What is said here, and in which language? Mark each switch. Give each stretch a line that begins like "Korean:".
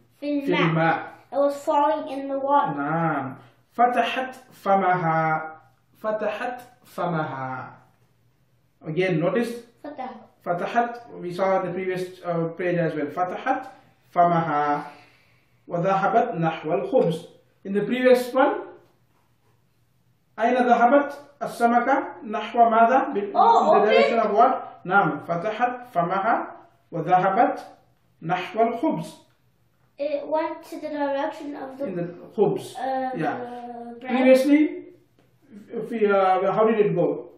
Arabic: في الماء.
English: It was falling in the water.
Arabic: نعم. فتحت فمها. فتحت فمها.
English: Again, notice.
Arabic: فتحت.
English: We saw the previous page as well.
Arabic: فتحت فمها. وذهبت نحو الخبز.
English: In the previous one,
Arabic: أين ذهبت السمكة نحو ماذا?
English: Oh, in the direction of what?
Arabic: نعم. فتحت فمها. وذهبت نحو الخبز.
English: It went to the direction of the in the خبز. Yeah. The bread. Previously, في how did it go?